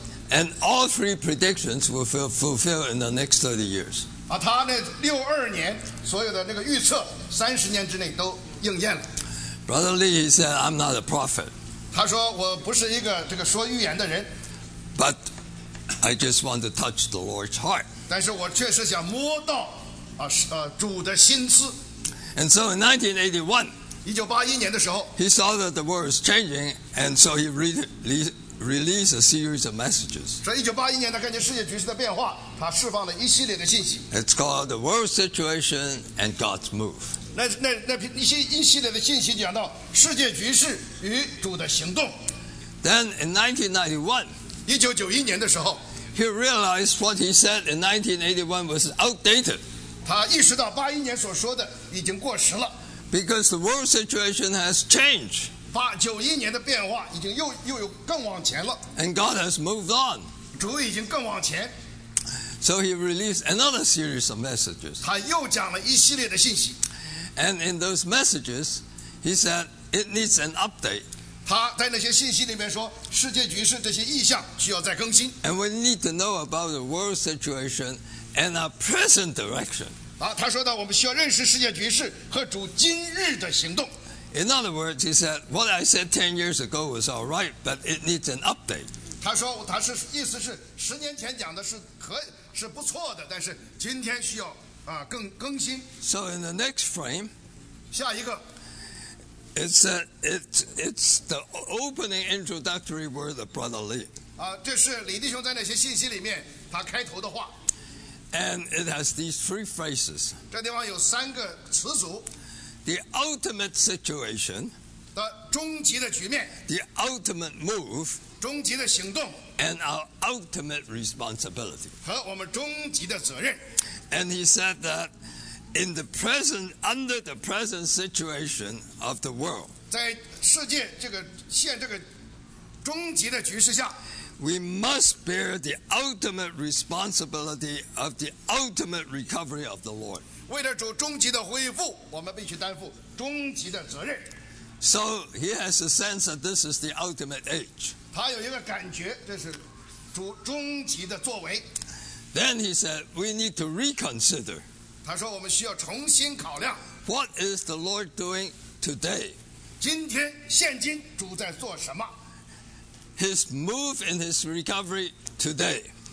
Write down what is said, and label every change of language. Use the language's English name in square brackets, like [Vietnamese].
[English] And all 3 predictions will fulfill in the next 30 years. [Chinese] 啊，他那1962年所有的那个预测，30年之内都应验了。 [English] Brother Lee said, "I'm not a prophet." [Chinese] 他说我不是一个这个说预言的人。 [English] But I just want to touch the Lord's heart. [Chinese] 但是我确实想摸到主的心思。 [English] And so in 1981年 [Chinese] 的时候 [English] ，he saw that the world is changing, and so he released a series of messages. [Chinese] 所以1981年他看见世界局势的变化，他释放了一系列的信息。 [English] It's called the world situation and God's move. [Chinese] 那一系列的信息讲到世界局势与主的行动。 [English] Then in 1991, [Chinese] 1991年的时候。 [English] He realized what he said in 1981 was outdated. [Chinese] 他意识到八一年所说的已经过时了。 [English] Because the world situation has changed. [Chinese] 1991年的变化已经又有更往前了。 [English] And God has moved on. [Chinese] 主已经更往前。 [English] So he released another series of messages. [Chinese] 他又讲了一系列的信息。 [English] And in those messages, he said it needs an update. [Chinese] 他在那些信息里面说，世界局势这些意象需要再更新。 [English] And we need to know about the world situation and our present direction. [Chinese] 啊，他说到我们需要认识世界局势和主今日的行动。 [English] In other words, he said, "What I said 10 years ago was all right, but it needs an update." [Chinese] 他说，他是意思是10年前讲的是可以是不错的，但是今天需要更新。 [English] So in the next frame, [Chinese] 下一个。 [English] It's the opening introductory word of Brother Lee. [Chinese] 这是李弟兄在那些信息里面他开头的话。 [English] And it has these 3 phrases. [Chinese] 这地方有三个词组。 [English] The ultimate situation. [Chinese] 的终极的局面。 [English] The ultimate move. [Chinese] 终极的行动。 [English] And our ultimate responsibility. [Chinese] 和我们终极的责任。 [English] And he said that. In the present, under the present situation of the world, [Chinese] 在世界这个现这个终极的局势下 [English] we must bear the ultimate responsibility of the ultimate recovery of the Lord. [Chinese] 为了主终极的恢复，我们必须担负终极的责任。 [English] So he has a sense that this is the ultimate age. [Chinese] 他有一个感觉，这是终极的作为。 [English] Then he said, we need to reconsider. [Chinese] 他说我们需要重新考量。 [English] What is the Lord doing today? [Chinese] 今天，现今，主在做什么？ [English] His move in his recovery today.